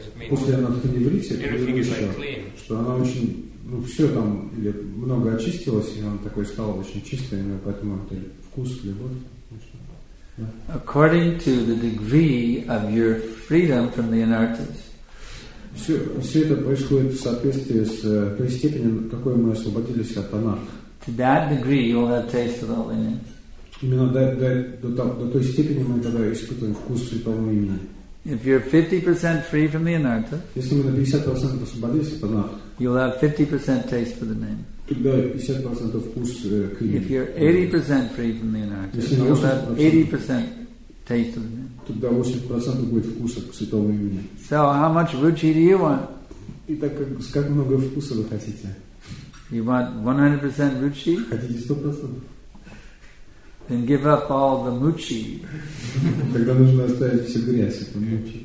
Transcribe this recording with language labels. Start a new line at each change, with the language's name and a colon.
Russian: После анартхани вритти, что оно очень... Ну, все там, или много очистилось, и он такой стал очень чистым, и поэтому это вкус, любовь.
English: According to the degree of your freedom from the anarthas.
Russian: Все это происходит в соответствии с той степенью, какой мы освободились от анарх.
English: To that degree, you will have taste of holiness.
Russian: Именно до той степени мы тогда испытываем вкус святого имени.
English: If you're 50% free from the anarthas.
Russian: Если мы на 50% освободились от анарх.
English: You'll have 50% taste for the name.
Russian: Тогда 50% вкус к имени.
English: If you're 80% free from the anarchist, you'll have 80% taste of the name.
Russian: Тогда 80% будет вкуса к святому имени.
English: So how much ruchi do you want?
Russian: И так как много вкуса вы хотите?
English: You want 100% ruchi?
Russian: Хотите 100%?
English: Then give up all the muchi.
Russian: Тогда нужно оставить всю грязь, это мучи.